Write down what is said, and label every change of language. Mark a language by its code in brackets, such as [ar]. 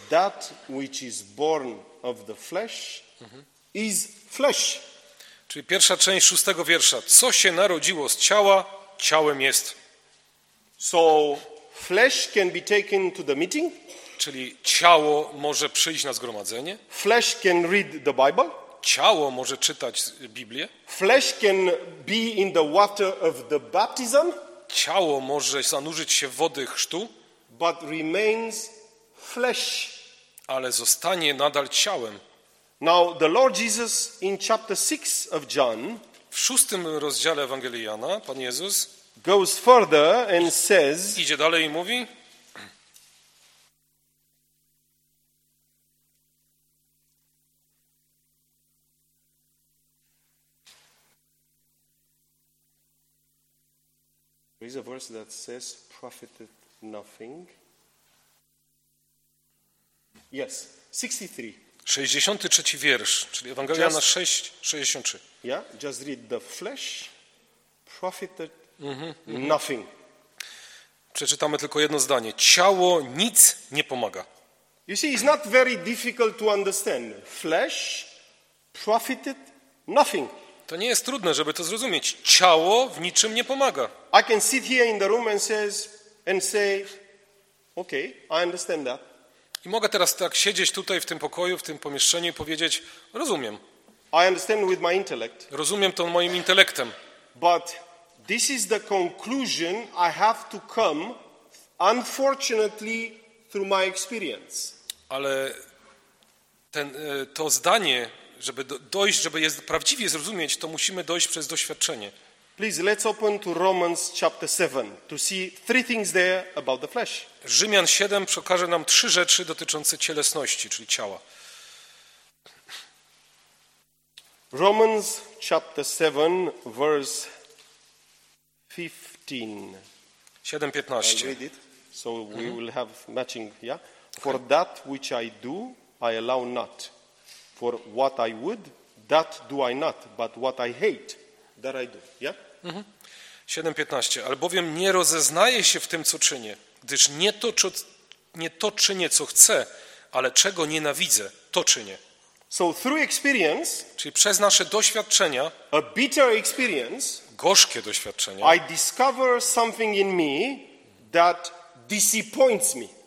[en] That which is born of the flesh is flesh. [pl] Czyli pierwsza część szóstego wiersza. Co się narodziło z ciała, ciałem jest. [en] So flesh can be taken to the meeting. [pl] Czyli ciało może przyjść na zgromadzenie. [en] Flesh can read the Bible. [pl] Ciało może czytać Biblię. [en] Flesh can be in the water of the baptism. [pl] Ciało może zanurzyć się w wody chrztu. [en] But remains flesh. [pl] Ale zostanie nadal ciałem. [en] Now the Lord Jesus in chapter 6 of John, [pl] w szóstym rozdziale Ewangelii Jana, Pan Jezus [en] goes further and says, [pl] idzie dalej i mówi, [en] there is a verse that says profited nothing. Yes, 63. [pl] 63 wiersz, czyli Ewangelia Jana 6, 63. [en] Yeah, just read the flesh profited Nothing. [pl] Przeczytamy tylko jedno zdanie. Ciało nic nie pomaga. [en] You see, it's not very difficult to understand. Flesh profited nothing. [pl] To nie jest trudne, żeby to zrozumieć. Ciało w niczym nie pomaga. [en] I can sit here in the room and say, okay, I understand that. [pl] I mogę teraz tak siedzieć tutaj w tym pokoju, w tym pomieszczeniu i powiedzieć, rozumiem. [en] I understand with my intellect. [pl] Rozumiem to moim intelektem. [en] But this is the conclusion I have to come, unfortunately, through my experience. [pl] Ale to zdanie, żeby dojść, żeby je prawdziwie zrozumieć, to musimy dojść przez doświadczenie. [en] Please, let's open to Romans chapter 7 to see three things there about the flesh. [pl] Rzymian 7 przekaże nam trzy rzeczy dotyczące cielesności, czyli ciała. [en] Romans chapter 7 verse 15. [pl] 7:15. [en] I read it, so we will have matching, yeah? Okay. For that which I do, I allow not. For what I would, that do I not, but what I hate, that I do, yeah? [pl] 7:15. Albowiem nie rozeznaję się w tym, co czynię, gdyż nie to czynię, co chcę, ale czego nienawidzę, to czynię. [en] So through experience, [pl] czyli przez nasze doświadczenia, [en] a bitter experience, [pl] gorzkie doświadczenia, [en] I discover something in me that disappoints me.